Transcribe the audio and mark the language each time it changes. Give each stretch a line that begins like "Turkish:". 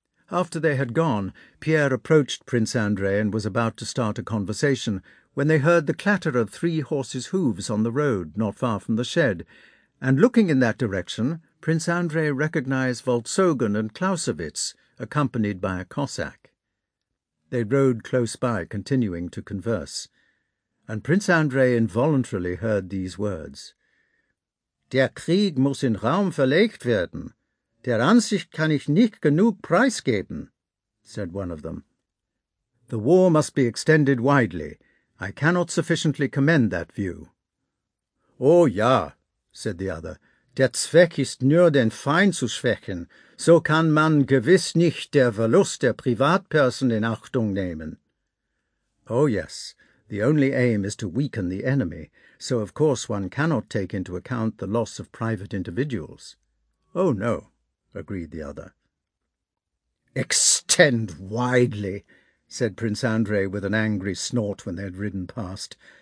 English: After they had gone, Pierre approached Prince Andrei and was about to start a conversation when they heard the clatter of three horses' hooves on the road not far from the shed, and looking in that direction, Prince Andrei recognised Voltsogen and Clausewitz, accompanied by a Cossack. They rode close by, continuing to converse, and Prince Andrei involuntarily heard these words:
German: "Der Krieg muss in Raum verlegt werden. Der Ansicht kann ich nicht genug preisgeben," said one of them.
English: "The war must be extended widely. I cannot sufficiently commend that view."
German: "Oh, ja," said the other. "Der Zweck ist nur, den Feind zu schwächen. So kann man gewiss nicht der Verlust der Privatperson in Achtung nehmen."
English: Oh, yes. The only aim is to weaken the enemy, so of course one cannot take into account the loss of private individuals. Oh, no, agreed the other. Extend widely, said Prince Andrei with an angry snort when they had ridden past.